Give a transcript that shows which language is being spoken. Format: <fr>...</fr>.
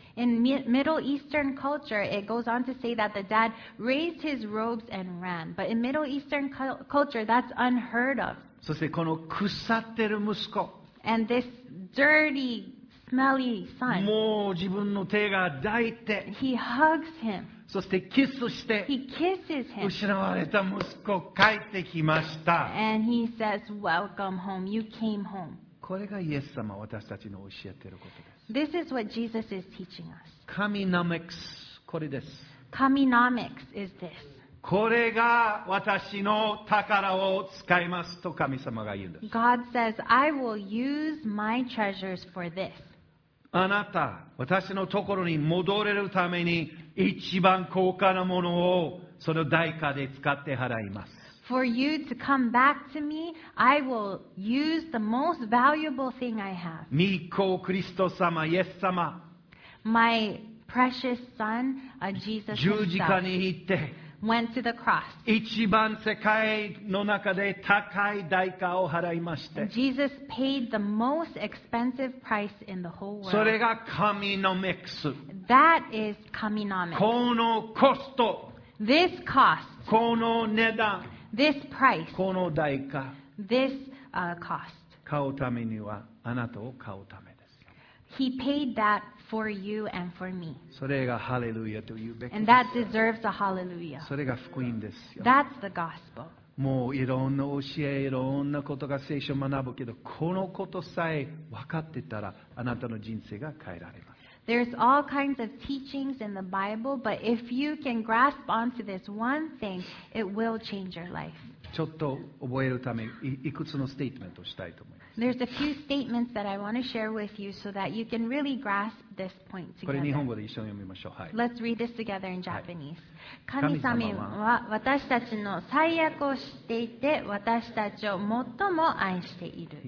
<en>In Middle Eastern culture, it goes on to say that the dad raised his robes and ran. But in Middle Eastern culture, that's unheard of.</en> <ja>そしてこの腐ってる息子。</ja> <en>And this dirty,Smelly son.</en> <ja>もう自分の手が抱いて、</ja> <en>He hugs him.</en> <ja>そしてキスして、</ja> <en>He kisses him.</en> <ja>失われた息子帰ってきました。</ja> <en>And he says, "Welcome home. You came home."</en> <ja>これがイエス様私たちの教えていることです。</ja> <en>This is what Jesus is teaching us.</en> <ja>Kaminomics これです。</ja> <en>Kaminomics is this.</en> <ja>これが私の宝を使いますと神様が言うんです。</ja> <en>God says, I will use my treasures for this.</en> <ja>あなた、私のところに戻れるために一番高価なものをその代価で使って払います。</ja> <en>For you to come back to me, I will use the most valuable thing I have.</en> <ja>御子クリスト様、イエス様。</ja> <en>My precious son, Jesus himself.</en> <ja>十字架に行って、</ja> <en>Went to the cross.</en> <ja>一番世界の中で高い代価を払いまして。</ja> <en>Jesus paid the most expensive price in the whole world.</en> <ja>それが神のミックス。</ja> <en>That is 神のミックス。</en> <ja>このコスト。</ja> <en>This cost.</en> <ja>この値段。</ja> <en>This price.</en> <ja>この代価。</ja> <en>This cost.</en> <ja>買うためにはあなたを買うためです。</ja> <en>He paid that. For you and for me.</en> <ja>それがハレルヤというべきです。</ja> <en>And that deserves a hallelujah.</en> <ja>それが福音ですよ。</ja> <en>That's the gospel.</en> <ja>もういろんな教え、いろんなことが聖書を学ぶけど、このことさえ分かってたら、あなたの人生が変えられます。</ja> <en>There's all kinds of teachings in the Bible, but if you can grasp onto this one thing, it will change your life.</en> <ja>ちょっと覚えるため、いくつのステートメントをしたいと思います。</ja> <en>There's a few statements that I want to share with you so that you can really grasp this point together.</en> <ja>これ日本語で一緒に読みましょう。はい。</ja> <en>Let's read this together in Japanese.</en> <ja>神様は私たちの最悪を知っていて、私たちを最も愛している。</ja>